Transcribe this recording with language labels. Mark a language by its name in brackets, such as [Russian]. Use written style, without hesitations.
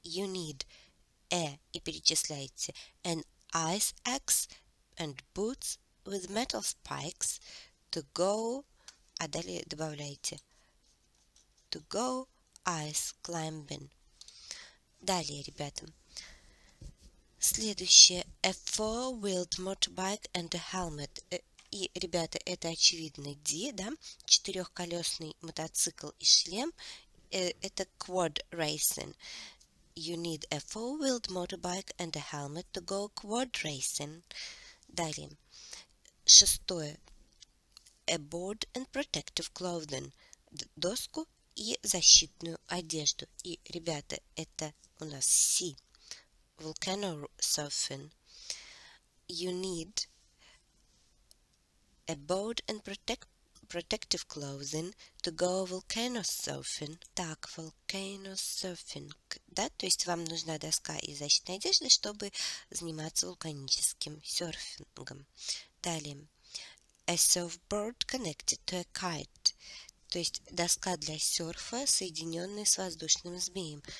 [English] You need a, [Russian] и перечисляете, [English] an ice axe and boots with metal spikes to go, [Russian] а далее добавляете, [English] to go ice climbing. [Russian] Далее, ребята. Следующее. [English] A four-wheeled motorbike and a helmet. [Russian] И, ребята, это очевидно D, да? Четырехколесный мотоцикл и шлем. Это quad racing. [English] You need a four-wheeled motorbike and a helmet to go quad racing. [Russian] Далее. Шестое. [English] A board and protective clothing. [Russian] Доску и защитную одежду. И, ребята, это у нас C. [English] Volcano surfing. You need... A board and protective clothing to go volcano surfing. [Russian] Так, volcano surfing, да? То есть вам нужна доска и защитная одежда, чтобы заниматься вулканическим серфингом. Далее. [English] A surfboard connected to a kite. [Russian] То есть доска для серфа, соединенная с воздушным змеем.